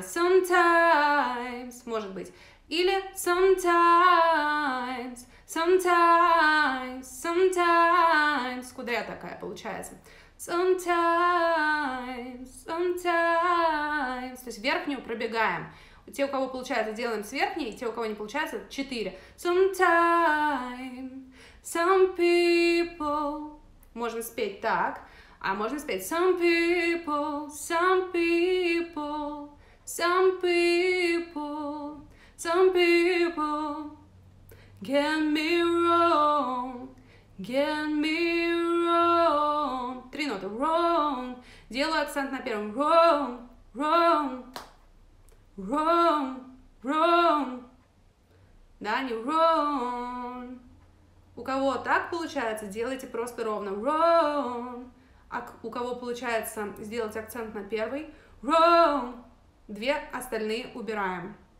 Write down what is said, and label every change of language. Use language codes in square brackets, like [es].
[ru] Sometimes, может быть, или [en] sometimes, sometimes, sometimes, [ru] кудря такая получается. [en] Sometimes, sometimes. [ru] То есть верхнюю пробегаем. Те, у кого получается, делаем с верхней, те, у кого не получается, 4. [en] Sometimes, some people. [ru] Можно спеть так, а можно спеть [en] some people, some people, some people, some people get me wrong, get me wrong. [ru] Три ноты. [en] Wrong. [ru] Делаю акцент на первом. Wrong, wrong. [en] Wrong, wrong, [ru] да, не [en] wrong, [ru] У кого так получается, делайте просто ровно [en] wrong. [ru] А у кого получается сделать акцент на первый [en] wrong, [ru] две остальные убираем.